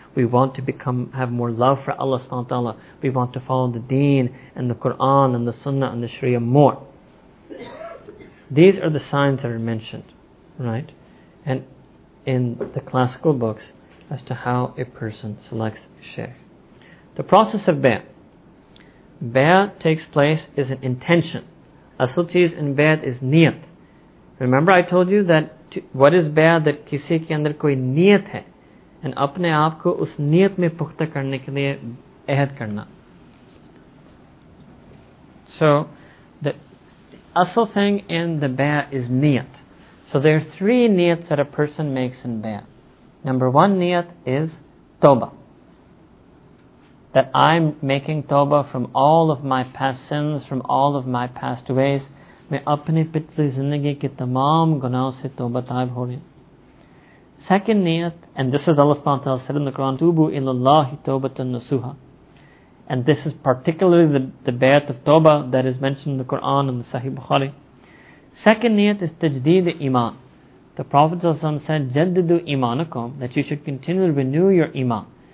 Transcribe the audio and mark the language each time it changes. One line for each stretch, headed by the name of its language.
English: We want to become have more love for Allah subhanahu wa ta'ala. We want to follow the deen and the Quran and the sunnah and the sharia more. These are the signs that are mentioned, right, and in the classical books as to how a person selects a sheikh. The process of bay'ah. Bay'ah takes place is an intention.
Urdu: اصل چیز
English: in bay'ah is
Urdu: نیت.
English: Remember I told you that what is bay'ah?
Urdu: That کسی کے اندر کوئی نیت ہے. And اپنے آپ کو اس نیت میں پختہ کرنے کے لیے عہد کرنا.
English: So, the asal thing in the bay'ah is niyat. So there are three niyats that a person makes in bay'ah. Number one niyat is tawbah. That I'm making tawbah from all of my past sins, from all of my past ways.
Urdu: میں اپنی پچھلی زندگی کے تمام گناہوں سے توبہ تائب ہو رہی.
English: Second niyat, and this is Allah subhanahu wa ta'ala said in the Quran, Tubu ilallahi tawbatan nasuha. And this is particularly the bay'at of tawbah that is mentioned in the Quran and the Sahih Bukhari. Second niyat is tajdeed iman. The Prophet ﷺ said, jaddidu imanakum, that you should continually renew your iman.